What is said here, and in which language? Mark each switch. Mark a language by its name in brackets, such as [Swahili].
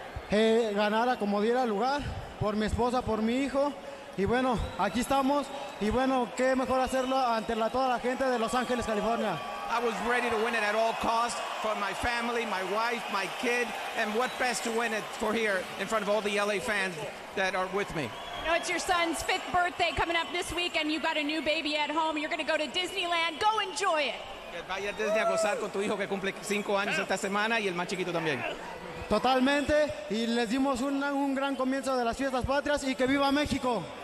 [Spanish] Ganar a como diera lugar, por mi esposa, por mi hijo. Y bueno, aquí estamos. Y bueno, qué mejor hacerlo ante toda la gente de Los Ángeles, California. [English] I was ready to win it at all costs for my family, my wife, my kid. And what best to win it for here in front of all the LA fans that are with me. You know, it's your son's 5th birthday coming up this week, and you got a new baby at home. You're going to go to Disneyland. Go enjoy it. [Spanish] Que vaya a Disney a gozar con tu hijo que cumple 5 años esta semana y el más chiquito también. Totalmente, y les dimos un gran comienzo de las fiestas patrias, y que viva México.